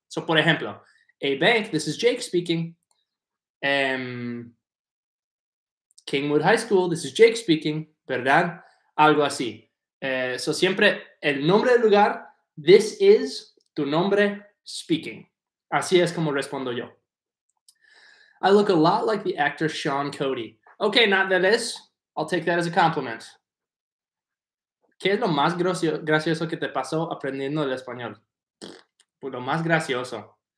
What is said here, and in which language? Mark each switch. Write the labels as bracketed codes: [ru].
[en] So, [es] por ejemplo, [en] A Bank, this is Jake speaking. Kingwood High School, this is Jake speaking, ¿verdad? [es] Algo así. So, siempre el nombre del lugar, [en] this is [es] tu nombre [en] speaking. [es] Así es como respondo yo. [en] I look a lot like the actor Sean Cody. Okay, not that is. I'll take that as a compliment. [es] ¿Qué es lo más gracioso que te pasó aprendiendo el español? Pues lo más gracioso.